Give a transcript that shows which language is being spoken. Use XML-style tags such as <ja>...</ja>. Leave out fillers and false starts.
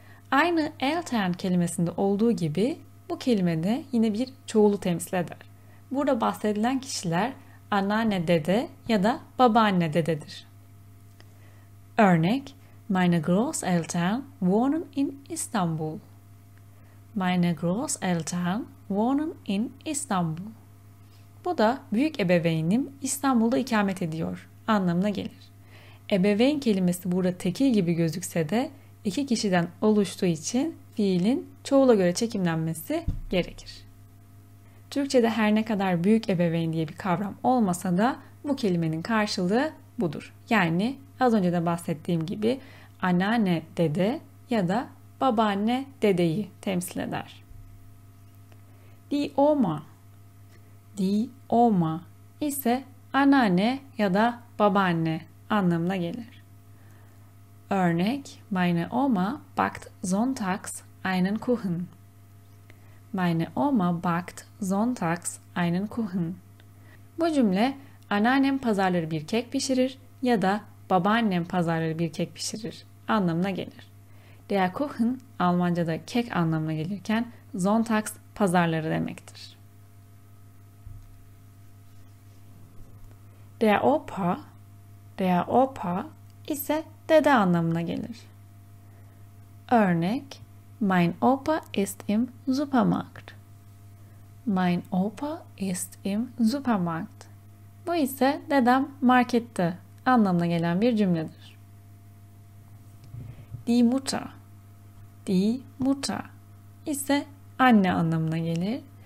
<tr>Aynı Eltern kelimesinde olduğu gibi bu kelime de yine bir çoğulu temsil eder. Burada bahsedilen kişiler anneanne, dede ya da babaanne, dededir.</tr> <de>Örnek: Meine Großeltern wohnen in Istanbul. Meine Großeltern wohnen in Istanbul.</de> <tr>Bu da büyük ebeveynim İstanbul'da ikamet ediyor anlamına gelir. Ebeveyn kelimesi burada tekil gibi gözükse de iki kişiden oluştuğu için fiilin çoğula göre çekimlenmesi gerekir. Türkçe'de her ne kadar büyük ebeveyn diye bir kavram olmasa da bu kelimenin karşılığı budur. Yani az önce de bahsettiğim gibi anneanne, dede ya da babaanne, dedeyi temsil eder. Die Oma. Die Oma ise anneanne ya da babaanne anlamına gelir.</tr> <de>Örnek: Meine Oma backt sonntags einen Kuchen. Meine Oma backt sonntags einen Kuchen.</de> <tr>Bu cümle anneannem pazarları bir kek pişirir ya da babaannem pazarları bir kek pişirir anlamına gelir. Der Kuchen Almanca'da kek anlamına gelirken Sonntags pazarları demektir. Der Opa ise dede anlamına gelir.</tr> <de>Örnek: Mein Opa ist im Supermarkt. Mein Opa ist im Supermarkt.</de> <tr>Bu ise dedem markette anlamına gelen bir cümledir. Die Mutter ise anne anlamına gelir.</tr>